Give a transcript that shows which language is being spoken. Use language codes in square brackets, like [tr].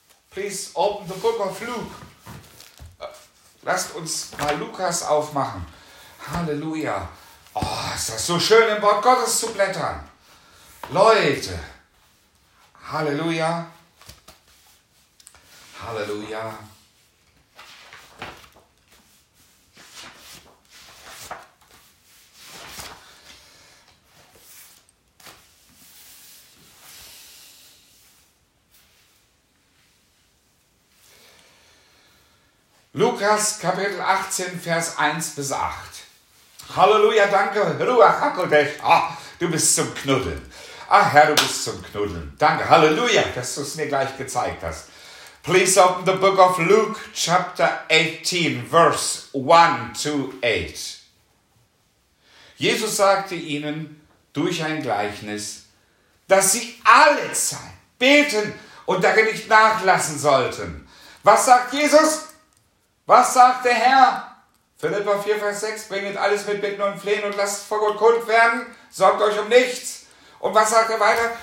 [en] Please open the book of Luke. [de] Lasst uns mal Lukas aufmachen. Halleluja. Oh, ist das so schön, im Wort Gottes zu blättern. Leute, Halleluja. Halleluja. Lukas Kapitel 18, Vers 1 bis 8. Halleluja, danke, Ruach HaKodesh. Ah, du bist zum Knuddeln. Ach Herr, du bist zum Knuddeln. Danke, Halleluja, dass du es mir gleich gezeigt hast. [en] Please open the book of Luke, chapter 18, verse 1 to 8. [de] Jesus sagte ihnen durch ein Gleichnis, dass sie alle Zeit beten und darin nicht nachlassen sollten. Was sagt Jesus? Was sagt der Herr? Philipper 4, Vers 6, bringet alles mit Bitten und Flehen und lasst vor Gott kund werden, sorgt euch um nichts. Und was sagt er weiter?